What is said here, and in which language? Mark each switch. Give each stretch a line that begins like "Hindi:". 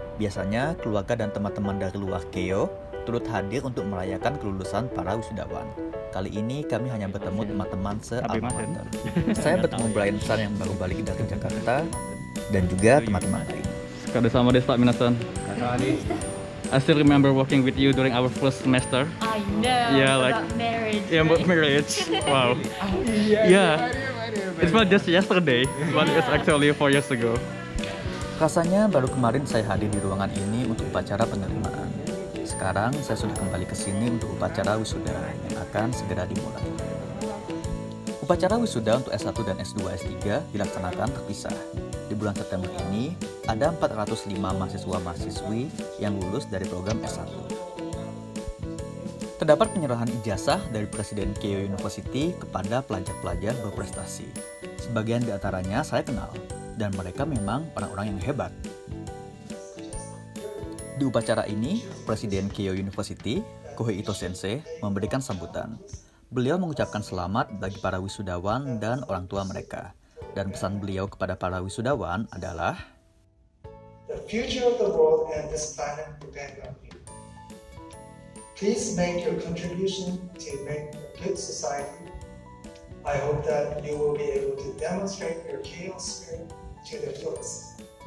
Indonesian: Biasanya keluarga dan teman-teman dari luar Keio turut hadir untuk merayakan kelulusan para wisudawan. Kali ini kami hanya bertemu teman-teman se-almater. Saya bertemu Brian San yang baru balik dari Jakarta dan juga teman-teman lain.
Japanese: Kade sama desu, minasan.
English: I still remember working with you during our first semester. I know. Yeah, like about marriage. Yeah, about marriage. Wow. Yeah. It's not just yesterday, but it's actually 4 years ago.
Indonesian: Rasanya baru kemarin saya hadir di ruangan ini untuk upacara penerimaan. Sekarang saya sudah kembali ke sini untuk upacara wisuda yang akan segera dimulai. Upacara wisuda untuk S1 dan S2 S3 dilaksanakan terpisah. Di bulan September ini, ada 405 mahasiswa-mahasiswi yang lulus dari program S1. Terdapat penyerahan ijazah dari Presiden Keio University kepada pelajar-pelajar berprestasi. Sebagian di antaranya saya kenal, dan mereka memang orang-orang yang hebat. Di upacara ini, Presiden Keio University, Kohei Ito Sensei, memberikan sambutan. Beliau mengucapkan selamat bagi para wisudawan dan orang tua mereka. Dan pesan beliau kepada para wisudawan adalah,
English: "The future of the world and this planet depend on you. Please make your contribution to make a good society. I hope that you will be able to demonstrate your chaos spirit to the fullest.